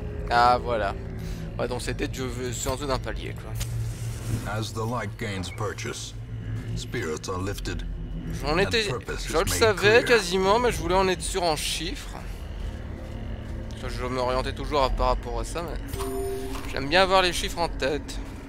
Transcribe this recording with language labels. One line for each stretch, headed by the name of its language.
French: Ah voilà. Ouais, donc c'était je veux sur un palier quoi.
English: As the light gains purchase, spirits are lifted.
French: J'en étais, je le savais clear. Quasiment, mais je voulais en être sûr en chiffres. Ça, je m'orientais toujours par rapport à ça, mais j'aime bien avoir les chiffres en tête.